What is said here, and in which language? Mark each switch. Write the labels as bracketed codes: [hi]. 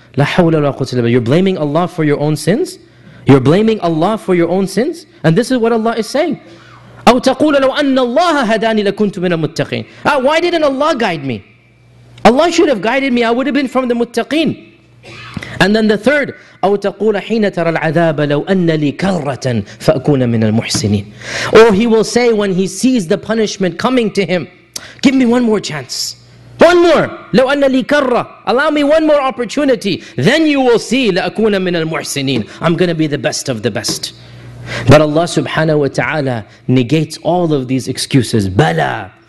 [ar] لَا حَوْلَ وَلَا قُوَّةَ إِلَّا بِاللَّهِ. [en] You're blaming Allah for your own sins? You're blaming Allah for your own sins? And this is what Allah is saying. [ar] أَوْ تَقُولَ لَوْ أَنَّ اللَّهَ هَدَانِي لَكُنْتُ مِنَ الْمُتَّقِينَ. [en] Why didn't Allah guide me? Allah should have guided me, I would have been from the muttaqeen. And then the third, [ar] أَوْ تَقُولَ حِينَ تَرَى الْعَذَابَ لَوْ أَنَّ لِي كَرَّةً فَأَكُونَ مِنَ الْمُحْسِنِينَ. [en] Or he will say when he sees the punishment coming to him, give me one more chance. One more. [ar] لَوْ أَنَّ لِي كَرَّةً. [en] Allow me one more opportunity. Then you will see [ar] لَأَكُونَ مِنَ الْمُحْسِنِينَ. [en] I'm going to be the best of the best. But Allah subhanahu wa ta'ala negates all of these excuses. Bala.